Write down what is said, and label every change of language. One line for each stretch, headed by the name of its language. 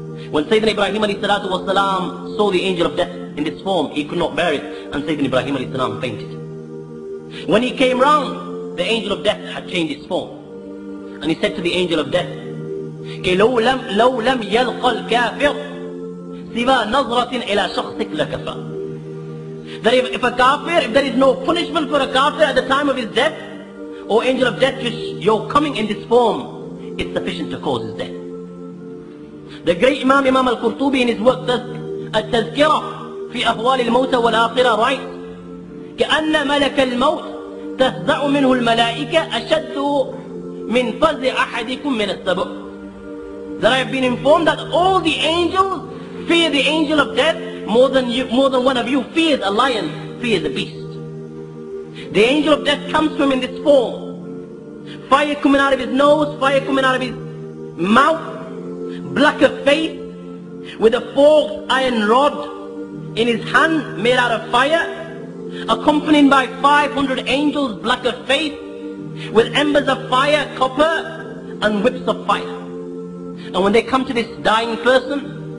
English: When Sayyidina Ibrahim alayhi salatu wa salam saw the angel of death in this form, he could not bear it, and Sayyidina Ibrahim alayhi salam fainted. When he came round, the angel of death had changed its form. And he said to the angel of death,
Arabic: كَلَوْ لَمْ يَلْقَ الْكَافِرْ سِوَى نَظْرَةٍ إِلَى شَخْصِكْ لَكَفَى.
English: That if a kafir, if there is no punishment for a kafir at the time of his death, O angel of death, just your coming in this form is sufficient to cause his death. The great Imam Al-Qurtubi in his work, التذكرة في أهوال الموت والآخرة, writes,
Arabic: كأن ملك الموت تهزع منه الملائكة أشد من فزع أحدكم من السبع.
English: That I have been informed that all the angels fear the angel of death more than one of you fears a lion, fears a beast. The angel of death comes to him in this form. Fire coming out of his nose, fire coming out of his mouth, black of face, with a forked iron rod in his hand made out of fire, accompanied by 500 angels black of face with embers of fire, copper, and whips of fire. And when they come to this dying person,